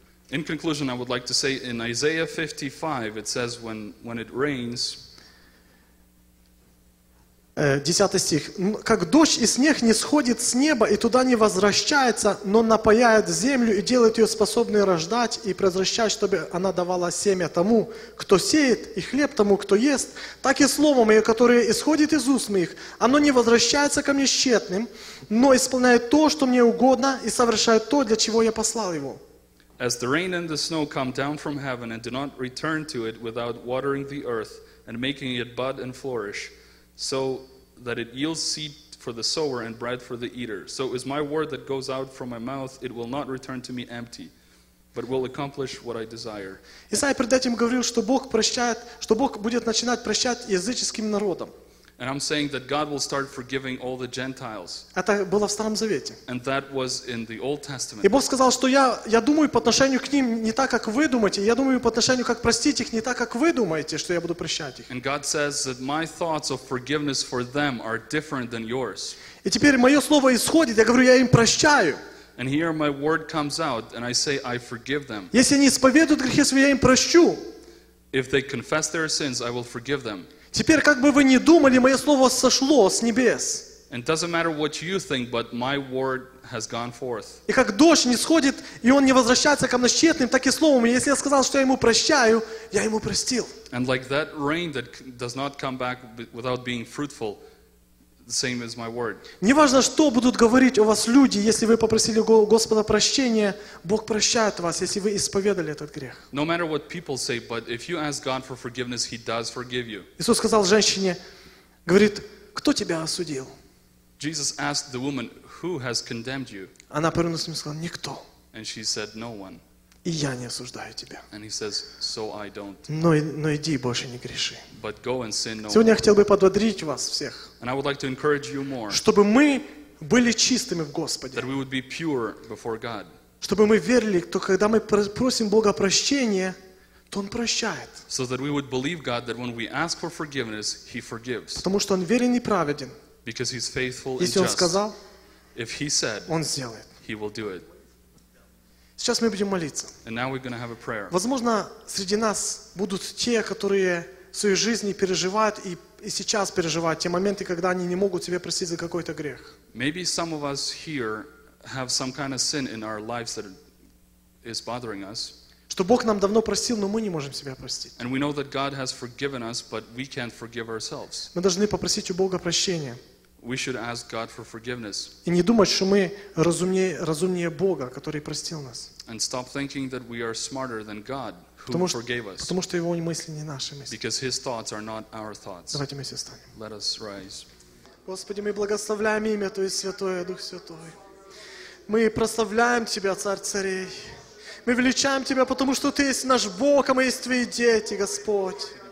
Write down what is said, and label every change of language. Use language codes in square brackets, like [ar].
[en] In conclusion, I would like to say in Isaiah 55, it says when it rains. [ru] 10 стих. Как дождь и снег не сходит с неба и туда не возвращается, но напаяет землю и делает ее способной рождать и превращать, чтобы она давала семя тому, кто сеет, и хлеб тому, кто ест, так и слово мое, которое исходит из уст моих, оно не возвращается ко мне тщетным, но исполняет то, что мне угодно, и совершает то, для чего я послал его. [en] As the rain and the snow come down from heaven and do not return to it without watering the earth and making it bud and flourish, so that it yields seed for the sower and bread for the eater. So is my word that goes out from my mouth, it will not return to me empty, but will accomplish what I desire. [ru] Исаия перед этим говорил, что Бог будет начинать прощать языческим народам. [en] And I'm saying that God will start forgiving all the Gentiles. [ru] Это было в Старом Завете. [en] And that was in the Old Testament. [ru] И Бог сказал, что я думаю по отношению к ним не так, как вы думаете. Я думаю по отношению, как простить их, не так, как вы думаете, что я буду прощать их. [en] And God says that my thoughts of forgiveness for them are different than yours. [ru] И теперь мое слово исходит, я говорю, я им прощаю. [en] And here my word comes out, and I say, I forgive them. [ru] Если они исповедуют грехи свои, я им прощу. [en] If they confess their sins, I will forgive them. [ru] Теперь, как бы вы ни думали, мое слово сошло с небес. [en] And doesn't matter what you think, but my word has gone forth. [ru] И как дождь не сходит, и он не возвращается ко мне тщетным, так и словом, если я сказал, что я ему прощаю, я ему простил. [en] And like that rain that does not come back without being fruitful, the same as my word. [ru] Не важно, что будут говорить о вас люди, если вы попросили Господа прощения, Бог прощает вас, если вы исповедали этот грех. [en] No matter what people say, but if you ask God for forgiveness, He does forgive you. [ru] Иисус сказал женщине, говорит, кто тебя осудил? [en] Jesus asked the woman, who has condemned you? [ru] Она повернулась к нему и сказала, никто. [en] And she said, no one. [ru] И я не осуждаю тебя. [en] And he says, so I don't. [ru] Но иди, больше не греши. [en] But go and sin no more. [ru] Сегодня я хотел бы подбодрить вас всех. [en] And I would like to encourage you more. [ru] Чтобы мы были чистыми в Господе. [en] That we would be pure before God. [ru] Чтобы мы верили, что когда мы просим Бога прощения, то Он прощает. [en] So that we would believe God that when we ask for forgiveness, He forgives. [ru] Потому что Он верен и праведен. [en] Because He's faithful and just. [ru] Если Он сказал, [en] if He said, [ru] Он сделает. [en] He will do it. [ru] Сейчас мы будем молиться. [en] And now we're going to have a prayer. [ru] Возможно, среди нас будут те, которые в своей жизни переживают и сейчас переживают те моменты, когда они не могут себе простить за какой-то грех. [en] Maybe some of us here have some kind of sin in our lives that is bothering us. [ru] Что Бог нам давно простил, но мы не можем себя простить. [en] And we know that God has forgiven us, but we can't forgive ourselves. [ru] Мы должны попросить у Бога прощения. [en] We should ask God for forgiveness. [ru] И не думать, что мы разумнее Бога, который простил нас. [en] And stop thinking that we are smarter than God. Who forgave us? [ru] Потому что его мысли не наши мысли. [en] Because his thoughts are not our thoughts. [ru] Давайте мы все встанем. [en] Let us rise. [ru] Господи, мы благословляем имя Твое Святое, Дух Святой. Мы прославляем Тебя, Царь Царей. Мы величаем Тебя, потому что Ты есть наш Бог, а мы есть Твои дети, Господь.